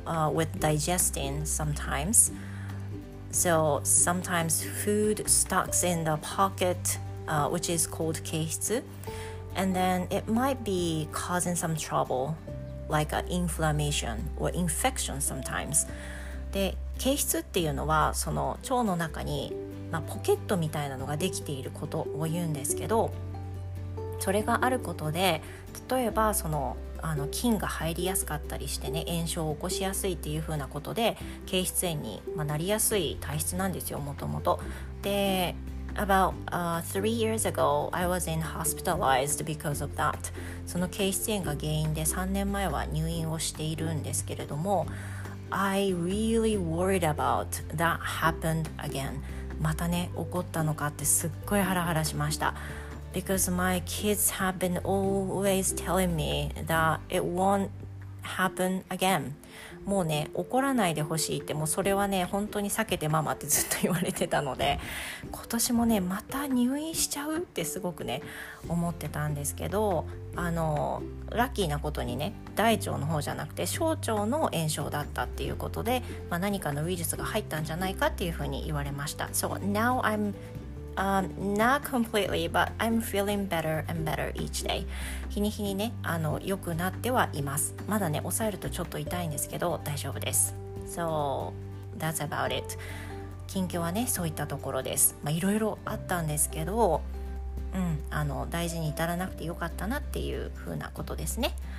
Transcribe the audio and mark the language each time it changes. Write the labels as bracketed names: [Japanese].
[English] With digesting sometimes. So sometimes food stucks in the pocket, which is called 憩室. And then it might be causing some trouble, like an inflammation or infection sometimes. [Japanese] で、憩室っていうのはその腸の中に、まあ、ポケットみたいなのができていることを言うんですけど、それがあることで、例えばその菌が入りやすかったりしてね、炎症を起こしやすいっていう風なことで憩室炎に、なりやすい体質なんですよ、もともと。で、 [English] About three years ago, I was in hospitalized because of that. [Japanese] その憩室炎が原因で3年前は入院をしているんですけれども、 [English] I really worried about that happened again. [Japanese] またね、起こったのかってすっごいハラハラしました。 [English] Because my kids have been always telling me that it won't happen again. [Japanese] もうね、起こらないでほしいって、もうそれはね、本当に避けてママってずっと言われてたので、今年もね、また入院しちゃうってすごくね、思ってたんですけど、ラッキーなことにね、大腸の方じゃなくて小腸の炎症だったっていうことで、何かのウイルスが入ったんじゃないかっていうふうに言われました。 [English] So now I'm not completely, but I'm feeling better and better each day. [Japanese] 日に日にね、良くなってはいます。まだね、抑えるとちょっと痛いんですけど、大丈夫です。 [English] So, that's about it. [Japanese] 近況はね、そういったところです。いろいろあったんですけど、大事に至らなくてよかったなっていう風なことですね。